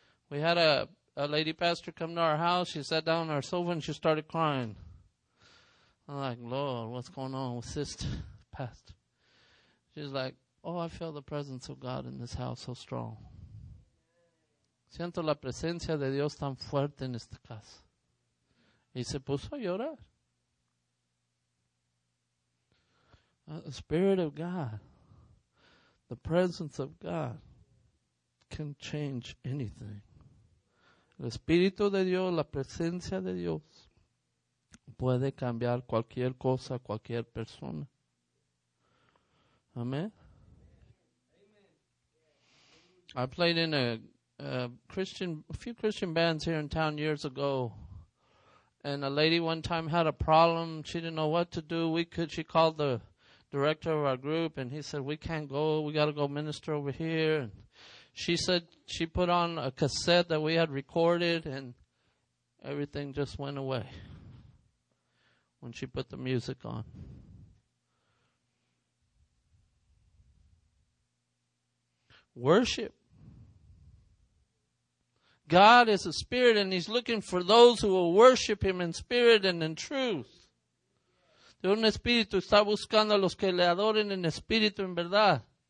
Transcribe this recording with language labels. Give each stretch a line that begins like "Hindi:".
English: We had a lady pastor come to our house. She sat down on our sofa and she started crying. I'm like, Lord, what's going on with sister pastor? She's like, oh, I feel the presence of God in this house so strong.
Spanish: Siento la presencia de Dios tan fuerte en esta casa. Y se puso a llorar.
English: The Spirit of God, the presence of God can change anything.
Spanish: El Espíritu de Dios, la presencia de Dios, puede cambiar cualquier cosa, cualquier persona. Amén.
English: I played in a few Christian bands here in town years ago. And a lady one time had a problem. She didn't know what to do. She called the director of our group and he said, we can't go. We got to go minister over here. And she said she put on a cassette that we had recorded and everything just went away when she put the music on. Worship. God is a spirit, and he's looking for those who will worship him in spirit and in truth.
Spanish: De un espíritu está buscando a los que le adoren en espíritu en verdad.